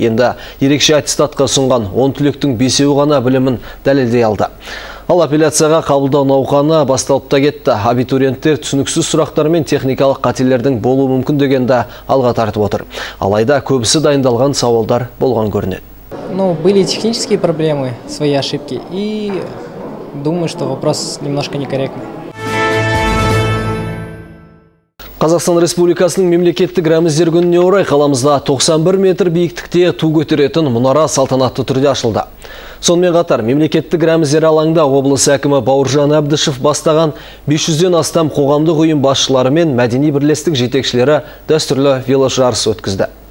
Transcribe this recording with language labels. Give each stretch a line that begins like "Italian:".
Kazakh: Енді ерекше аттестатқа ұсынған 10 түлектің 5-еуі ғана білімін дәлелдей алды. Ал апелляцияға қабылдау науқаны басталып та кетті. Абитуриенттер түсініксіз сұрақтар мен техникалық қателердің болуы мүмкін дегенді алға тартып отыр. Алайда көбісі дайындалған сауалдар болған көрінеді.
Russian: Ну, были технические проблемы, свои ошибки. И думаю, что вопрос немножко некорректный.
Kazakh: Қазақстан Республикасының мемлекеттік рәміздер күніне орай қаламызда 91 метр биіктікте ту көтеретін мұнара салтанатты түрде ашылды. Сонымен қатар мемлекеттік рәміздер алаңында облыс әкімі Бауыржан Әбдішев бастаған 500-ден астам қоғамдық ұйым басшылары мен мәдени бірлестік жетекшілері дәстүрлі веложарыс өткізді.